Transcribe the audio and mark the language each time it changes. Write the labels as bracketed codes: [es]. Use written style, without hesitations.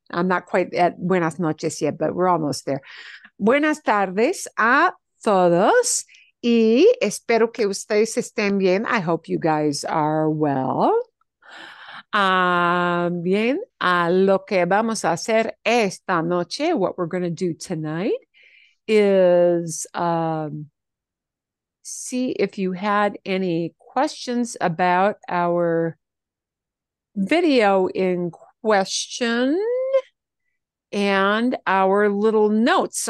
[en] I'm not quite at buenas noches yet, but we're almost there. [es] Buenas tardes a todos y espero que ustedes estén bien. [en] I hope you guys are well. Bien, a lo que vamos a hacer esta noche, what we're going to do tonight, is see if you had any questions about our video in question and our little notes.